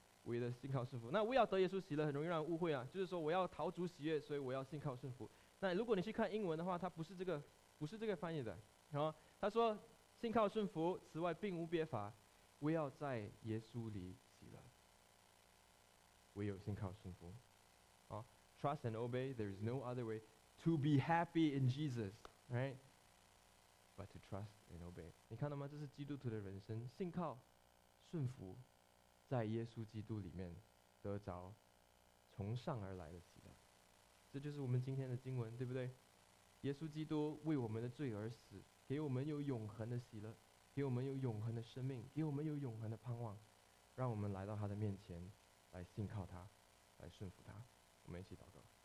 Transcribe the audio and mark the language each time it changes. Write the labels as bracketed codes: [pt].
[zh] 唯一的信靠顺服。那我要得耶稣喜乐很容易让人误会啊，就是说我要逃主喜悦，所以我要信靠顺服。那如果你去看英文的话，它不是这个翻译的，他说信靠顺服，此外并无别法，我要在耶稣里喜乐，唯有信靠顺服。 [en] Trust and obey, there is no other way to be happy in Jesus, right? But to trust and obey. [zh] 你看到吗？这是基督徒的人生，信靠顺服，在耶稣基督里面得着从上而来的喜乐。这就是我们今天的经文，对不对？耶稣基督为我们的罪而死，给我们有永恒的喜乐，给我们有永恒的生命，给我们有永恒的盼望，让我们来到他的面前来信靠他，来顺服他。我们一起祷告。